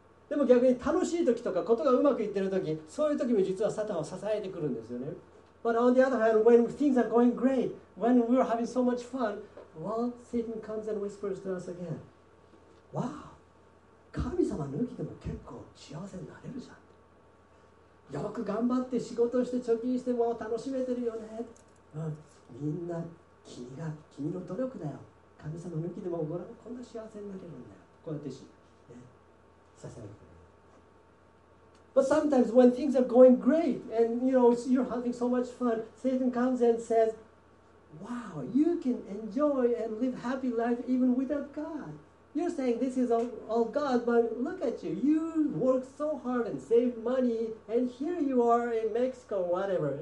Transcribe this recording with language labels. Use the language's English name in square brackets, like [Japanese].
[Japanese] でも逆に楽しい時とかことがうまくいってる時、そういう時も実はサタンを支えてくるんですよね。 [English] But on the other hand, when things are going great, when we're having so much fun, well, Satan comes and whispers to us again. [Japanese] Wow, 神様抜きでも結構幸せになれるじゃん。よく頑張って仕事して貯金してもう楽しめてるよね。みんな君の努力だよ。神様抜きでもご覧こんな幸せになれるんだよ。こうやってし、ね、させる。 [English] But sometimes when things are going great and you know you're having so much fun, Satan comes and says, "Wow, you can enjoy and live happy life even without God. You're saying this is all God, but look at you. You worked so hard and saved money, and here you are in Mexico, whatever.